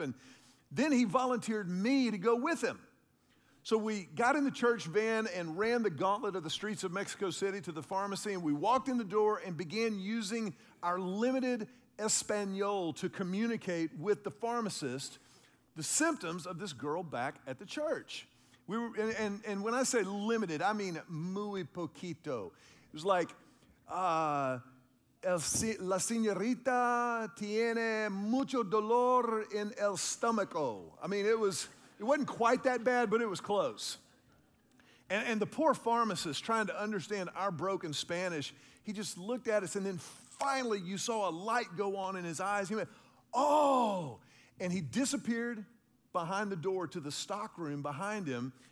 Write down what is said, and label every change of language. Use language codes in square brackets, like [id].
[en] And then he volunteered me to go with him. So we got in the church van and ran the gauntlet of the streets of Mexico City to the pharmacy, and we walked in the door and began using our limited Espanol to communicate with the pharmacist the symptoms of this girl back at the church. We were, and when I say limited, I mean [es] muy poquito. [en] It was like, [es] la señorita tiene mucho dolor en el estómago. [en] I mean, it wasn't quite that bad, but it was close. And the poor pharmacist, trying to understand our broken Spanish, he just looked at us, and then finally you saw a light go on in his eyes. He went, oh, and he disappeared behind the door to the stock room behind him.